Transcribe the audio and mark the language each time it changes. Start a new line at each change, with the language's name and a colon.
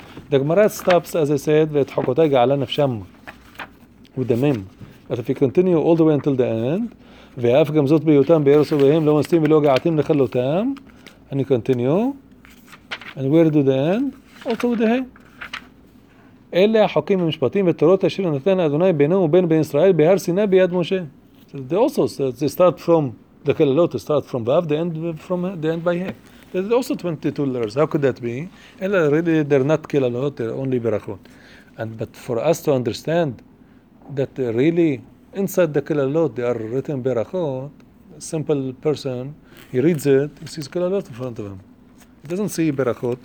English: The Gemara stops, as I said, with Hakotai Ga'ala Nafsham, with the Mem. But if you continue all the way until the end,
Hebrew: ואף גם זאת ביותם בארץ ובהם לא מסתים ולא געתים לחלותם,
English: and you continue, and where do the end? Also with the hay.
Hebrew: אלה החוקים ומשפטים ותורות אשר נתן אדוני בינו ובין בן ישראל בהר סיני ביד משה.
English: So they also start from the Kelalot, they start from Vav, the end from the end by hay. There's also 22 letters. How could that be? אלה really they're not Kelalot, they're only Berachot. And but for us to understand that really inside the Kelalot they are written Berachot, a simple person, he reads it, he sees Kelalot in front of him. He doesn't see Berachot.